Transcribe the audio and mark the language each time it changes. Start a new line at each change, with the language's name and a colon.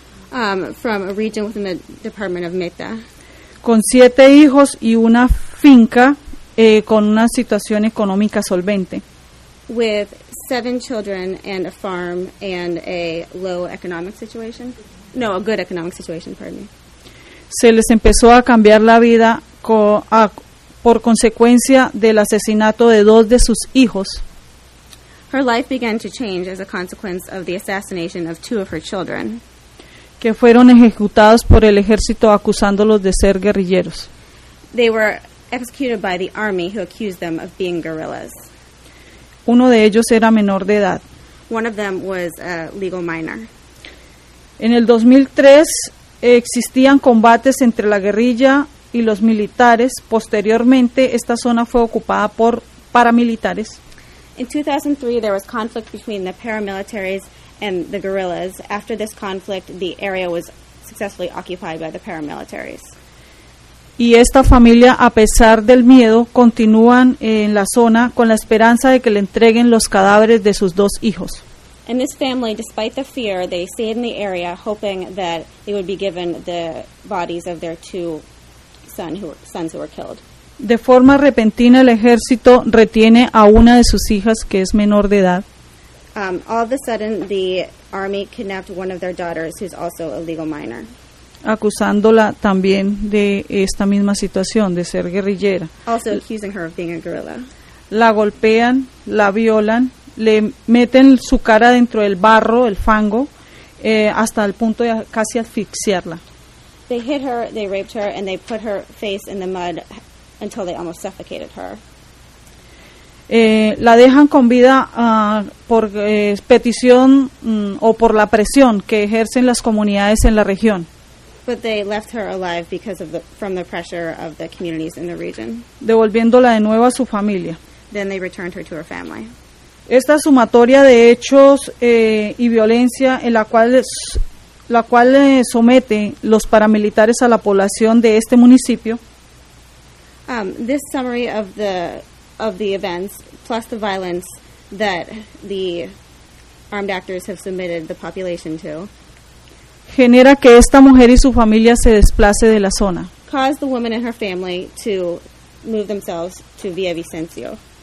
English: From a region within the department of Meta.
Spanish: Con siete hijos y una finca con una situación económica solvente.
English: With seven children and a farm and a low economic situation. No, a good economic situation, pardon me.
Spanish: Se les empezó a cambiar la vida por consecuencia del asesinato de dos de sus hijos.
English: Her life began to change as a consequence of the assassination of two of her children.
Spanish: Que fueron ejecutados por el ejército acusándolos de ser guerrilleros.
English: They were executed by the army who accused them of being guerrillas.
Spanish: Uno de ellos era menor de edad.
English: One of them was a legal minor.
Spanish: En el 2003 existían combates entre la guerrilla y los militares. Posteriormente esta zona fue ocupada por paramilitares.
English: In 2003 there was conflict between the paramilitaries and the guerrillas. After this conflict, the area was successfully occupied by the paramilitaries.
Spanish: Y esta familia, a pesar del miedo, continúan en la zona con la esperanza de que le entreguen los cadáveres de sus dos hijos.
English: And this family, despite the fear, they stayed in the area hoping that they would be given the bodies of their two sons who were killed.
Spanish: De forma repentina, el ejército retiene a una de sus hijas, que es menor de edad.
English: All of a sudden, the army kidnapped one of their daughters, who's also a legal minor.
Spanish: Acusándola también de esta misma situación, de ser guerrillera.
English: Also accusing her of being a guerrilla.
Spanish: La golpean, la violan, le meten su cara dentro del barro, el fango, hasta el punto de casi asfixiarla.
English: They hit her, they raped her, and they put her face in the mud until they almost suffocated her.
Spanish: La dejan con vida por petición o por la presión que ejercen las comunidades en la región.
English: but they left her alive because of the from the pressure of the communities in the region.
Spanish: Devolviéndola de nuevo a su familia.
English: Then they returned her to her family.
Spanish: Esta sumatoria de hechos y violencia en la cual somete los paramilitares a la población de este municipio.
English: This summary of the events plus the violence that the armed actors have submitted the population to
Spanish: genera que esta mujer y su familia se desplace de la zona.
English: Cause the woman and her family to move themselves to Villavicencio.